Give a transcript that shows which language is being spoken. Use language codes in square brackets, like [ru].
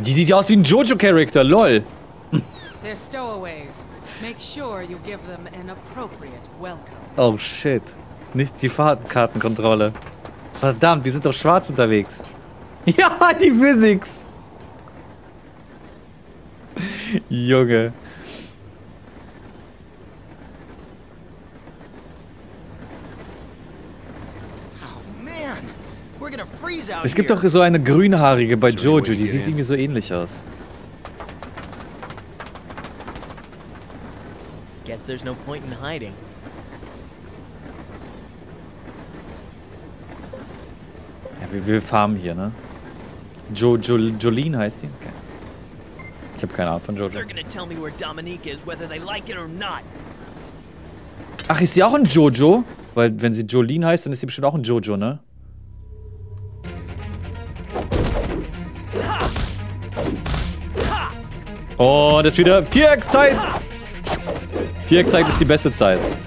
[de] Die sieht aus wie ein Jojo-Charakter, lol. [en] They're stowaways. Make sure you give them an appropriate welcome. [de] Oh shit. Nicht die Fahrkartenkontrolle. Verdammt, die sind doch schwarz unterwegs. Ja, die Physics. Junge. Es gibt doch so eine grünhaarige bei Jojo, die sieht irgendwie so ähnlich aus. [en] Guess there's no point in hiding. [de] Ja, wir farmen hier, ne? Jolene heißt die? Okay. Ich habe keine Ahnung von Jojo. [en] They're gonna tell me where Dominique is, whether they like it or not. [de] Ach, ist sie auch ein Jojo? Weil wenn sie Jolene heißt, dann ist sie bestimmt auch ein Jojo, ne? Und jetzt wieder Viereckzeit! Viereckzeit ist die beste Zeit.